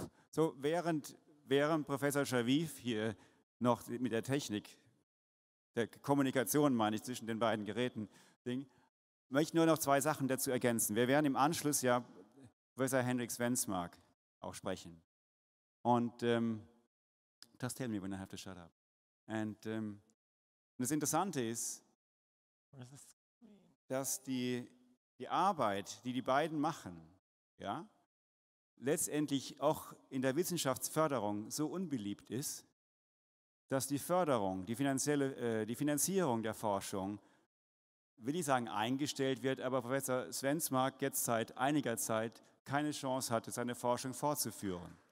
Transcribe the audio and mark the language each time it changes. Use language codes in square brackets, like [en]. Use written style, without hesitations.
[de] So, während Professor Schaviv hier noch mit der Technik, der Kommunikation, meine ich, zwischen den beiden Geräten, möchte ich nur noch zwei Sachen dazu ergänzen. Wir werden im Anschluss ja Professor Henrik Svensmark auch sprechen. [en] Und just tell me when I have to shut up. [de] And das Interessante ist, dass die Arbeit, die die beiden machen, ja, letztendlich auch in der Wissenschaftsförderung so unbeliebt ist, dass die Förderung, die Finanzierung der Forschung, will ich sagen, eingestellt wird, aber Professor Svensmark jetzt seit einiger Zeit keine Chance hatte, seine Forschung fortzuführen.